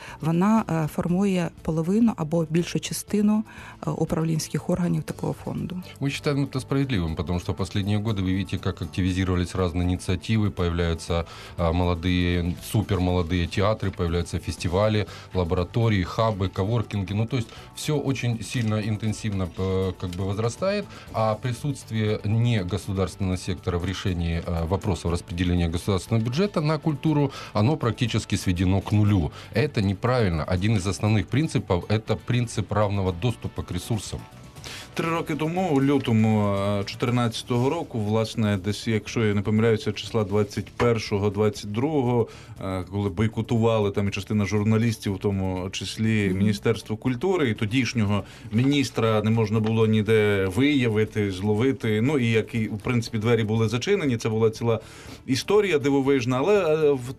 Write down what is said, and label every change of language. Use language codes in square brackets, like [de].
[uk] Вона формує половину або більшу частину управлінських органів такого фонду. Ми вважаємо це справедливим, тому що останні роки ви бачите, як активізувалися різні ініціативи, з'являються молоді, супермолоді театри, з'являються фестивалі, лабораторії, хаби, коворкінги. Ну, тобто, все дуже сильно, інтенсивно зростає, [ru] а присутствие не государственного сектора в решении вопросов распределения государственного бюджета на культуру, оно практически сведено к нулю. Это неправильно. Один из основных принципов – это принцип равного доступа к ресурсам. [uk] Три роки тому, у лютому 2014 року, власне, десь, якщо я не помиляюся, числа 21-22, коли бойкотували там і частина журналістів, в тому числі Міністерство культури, і тодішнього міністра не можна було ніде виявити, зловити, ну і як і, в принципі, двері були зачинені, це була ціла історія дивовижна, але